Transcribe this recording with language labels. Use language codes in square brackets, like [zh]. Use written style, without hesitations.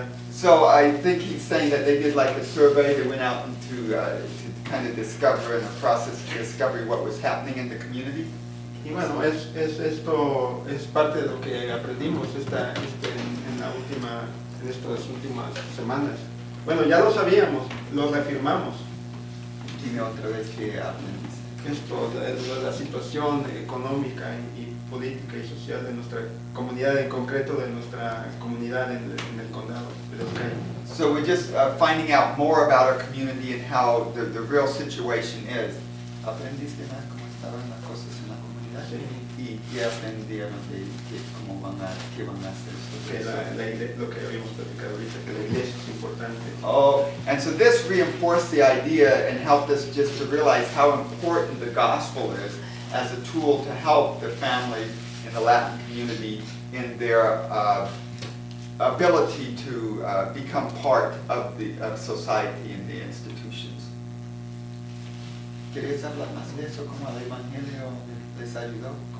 [en] So I think he's saying that they did like a survey that went out to kind of discover in the process of discovery what was happening in the community. [es] Y bueno, esto es parte de lo que aprendimos en estas últimas semanas. Bueno, ya lo sabíamos, lo reafirmamos. Dime otra vez que aprendimos. Esto es la situación económica y política y social de nuestra comunidad, en concreto de nuestra comunidad en el condado. [en] Okay. So we're just finding out more about our community and how the real situation is. [es] ¿Aprendiste más cómo estaban las cosas en la comunidad? Sí. ¿Y aprendieron de cómo van a qué van a hacer? Lo que habíamos platicado ahorita, que la iglesia es importante. [en] Oh, and so this reinforced the idea and helped us just to realize how important the gospel is as a tool to help the family in the Latin community in their ability to become part of the of society and the institutions. [es] ¿Quieres hablar más de eso, cómo el evangelio les ayudó?